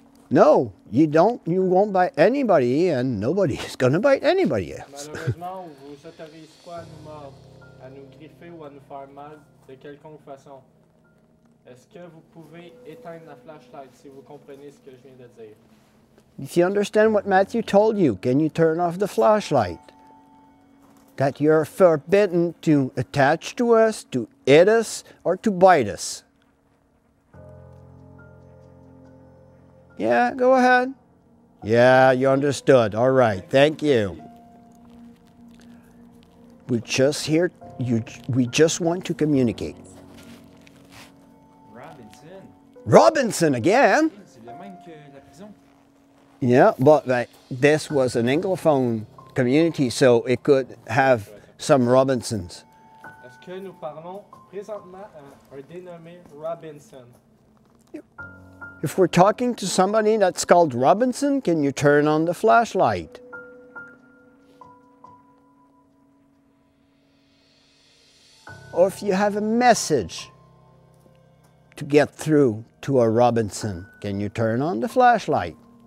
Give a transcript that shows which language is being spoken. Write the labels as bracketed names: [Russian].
[English] No, you don't, you won't bite anybody and nobody's gonna bite anybody else. [French] Malheureusement, on vous autorise pas à nous mordre, à nous griffer ou à nous faire mal de quelconque façon. Est-ce que vous pouvez éteindre la flashlight si vous comprenez ce que je viens de dire? [English] If you understand what Matthew told you, can you turn off the flashlight? That you're forbidden to attach to us, to eat us, or to bite us. Yeah, go ahead. Yeah, you understood. All right, thank you. We just want to communicate. Robinson again? Yeah, but this was an Anglophone community, so it could have some Robinsons. [French] Est-ce que nous parlons présentement un dénommé Robinson? [English] If we're talking to somebody that's called Robinson, can you turn on the flashlight? Or if you have a message to get through to a Robinson, can you turn on the flashlight?